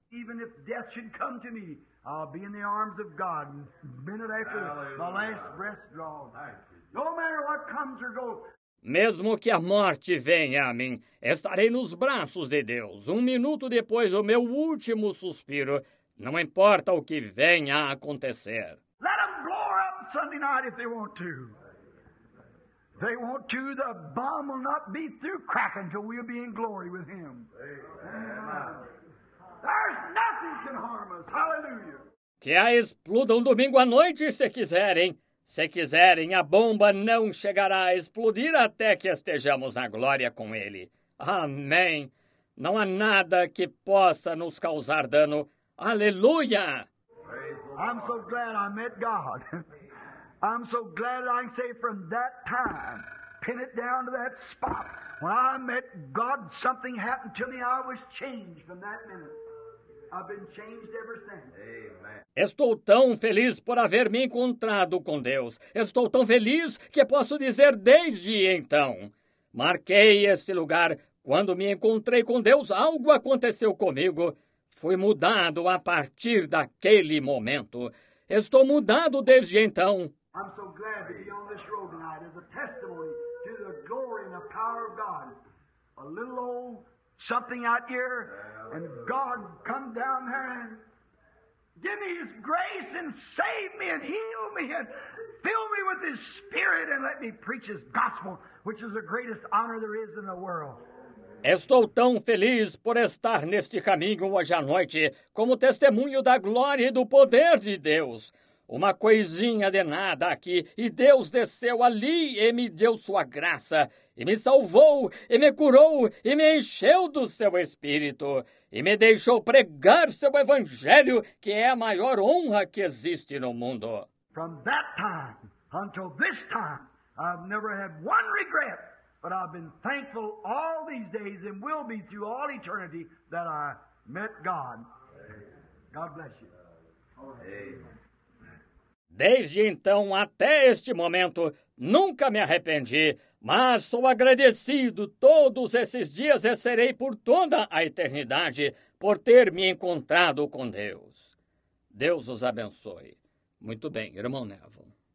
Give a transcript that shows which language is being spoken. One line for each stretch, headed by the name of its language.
English: Even if death should come to me, I'll be in the arms of God a minute after my last breath draws. No matter what comes or goes.
Portuguese: Mesmo que a morte venha a mim, estarei nos braços de Deus. Um minuto depois do meu último suspiro, não importa o que venha a acontecer.
English: Let them blow her up Sunday night if they want to. They want to, the bomb will not be through cracking till we'll be in glory with him. Amen. There's nothing can harm us. Hallelujah.
Portuguese: Que a explodam domingo à noite se quiserem. Se quiserem, a bomba não chegará a explodir até que estejamos na glória com ele. Amém. Não há nada que possa nos causar dano. Aleluia!
English: I'm so glad I met God. I'm so glad I can say from that time, pin it down to that spot. When I met God, something happened to me. I was changed from that minute. I've been changed ever since. Amen.
Portuguese: Estou tão feliz por haver me encontrado com Deus. Estou tão feliz que posso dizer desde então. Marquei esse lugar. Quando me encontrei com Deus, algo aconteceu comigo. Fui mudado a partir daquele momento. Estou mudado desde então.
English: I'm so glad to be on this road tonight as a testimony to the glory and the power of God. A little old something out here. And God, come down there and give me his grace and save me and heal me and fill me with his Spirit and let me preach his gospel, which is the greatest honor there is in the world.
Portuguese: Estou tão feliz por estar neste caminho hoje à noite como testemunho da glória e do poder de Deus. Uma coisinha de nada aqui, e Deus desceu ali e me deu sua graça, e me salvou, e me curou, e me encheu do seu Espírito, e me deixou pregar seu Evangelho, que é a maior honra que existe no mundo.
English: From that time until this time, I've never had one regret, but I've been thankful all these days and will be through all eternity that I met God. God bless you. Amen.
Portuguese: Desde então até este momento, nunca me arrependi, mas sou agradecido todos esses dias e serei por toda a eternidade por ter me encontrado com Deus. Deus os abençoe. Muito bem, irmão Neville.